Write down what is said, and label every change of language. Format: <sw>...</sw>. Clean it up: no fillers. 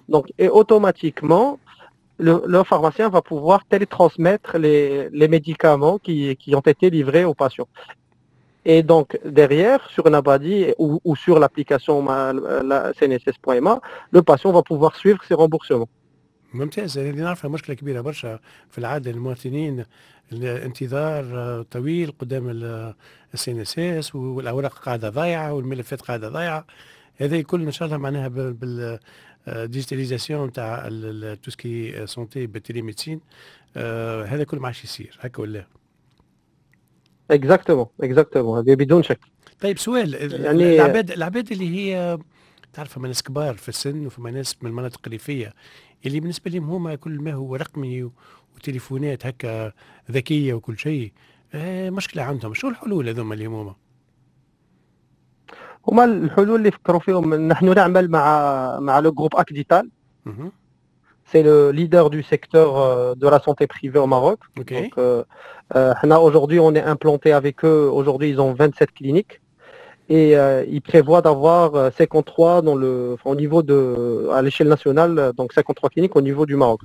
<fr>Donc, et automatiquement, le pharmacien va pouvoir télétransmettre les médicaments qui ont été livrés au patient. Et donc derrière, sur Nabadi ou sur l'application la CNSS.ma, le patient va pouvoir suivre ses remboursements.</fr> <ar>ممتاز. أنا يعني نعرف مشكلة كبيرة برشا في العادة المواطنين, الانتظار طويل قدام السينسيس والأوراق قاعدة ضايعة والملفات قاعدة ضايعة. هذا كل إن شاء الله معناها بالديجيتاليزاسيون تاع التوسكي سنتي بالتيلي ميدسين, هذا كل ما عادش يصير هكا ولا اكزاكتومون بدون شك. طيب سؤال, يعني العباد اللي هي تعرف فما ناس كبار في السن وفما ناس من المناطق الريفية اللي بالنسبة لهم هما كل ما هو رقمي وتليفونات هكا ذكية وكل شيء, مشكلة عندهم, شو الحلول هذوما اللي هما الحلول اللي فكروا فيهم؟ نحن نعمل مع لو جروب اكديتال</ar> <fr>c'est le leader du secteur de la santé privée au Maroc. Okay. Donc, là, aujourd'hui, on est implanté avec eux. Aujourd'hui, ils ont 27 cliniques. Et ils prévoient d'avoir 53 dans le, enfin, au niveau de, à l'échelle nationale, donc 53 cliniques au niveau du Maroc.</fr>